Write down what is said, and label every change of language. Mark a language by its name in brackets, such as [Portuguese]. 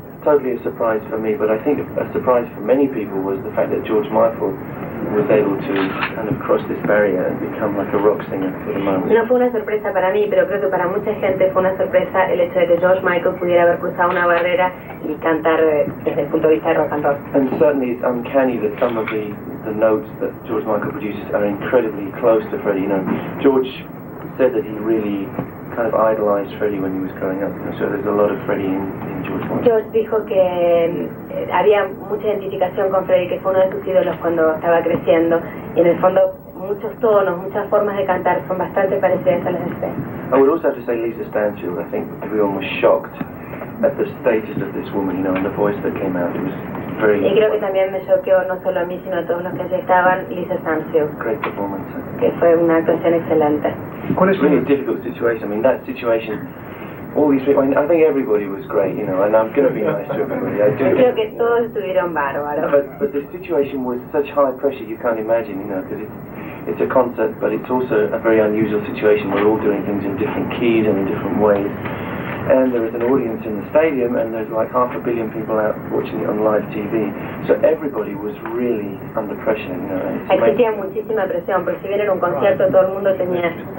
[English] totally a surprise for me, but I think a surprise for many people was the fact that George Michael was able to kind of cross this barrier and become like a rock singer for the moment. [Spanish] No fue una sorpresa para mí, pero creo que para mucha gente fue una sorpresa el hecho de que George Michael pudiera haber cruzado una barrera y cantar desde el punto de vista de rock and roll. [English] And certainly it's uncanny that some of the notes that George Michael produces are incredibly close to Freddie. You know, George said that he really kind of idolized Freddie when he was growing up, and so there's a lot of Freddie in George Michael. [Spanish] George dijo que había mucha identificación con Freddie, que fue uno de sus ídolos cuando estaba creciendo, y en el fondo muchos tonos, muchas formas de cantar son bastante parecidas a las de Freddie. [English] I would also have to say Lisa Stansfield. I think everyone was shocked at the status of this woman, you know, and the voice that came out. It was very. [Spanish] Y creo que también me choqueó no solo a mí sino a todos los que allí estaban Lisa Stansfield. [English] Great performance. [Spanish] Que fue una actuación excelente. [English] It's really a difficult situation. I mean, that situation, all these people, I mean, I think everybody was great, you know, and I'm going to be nice to everybody. I do. [Spanish] Creo que todos estuvieron bárbaros. [English] But the situation was such high pressure, you can't imagine, you know, because it's a concert, but it's also a very unusual situation. We're all doing things in different keys and in different ways. And there is an audience in the stadium, and there's like 500 million people out watching it on live TV. So everybody was really under pressure, you know. [Spanish] Existía muchísima presión, porque si bien era un concierto, todo el mundo tenía.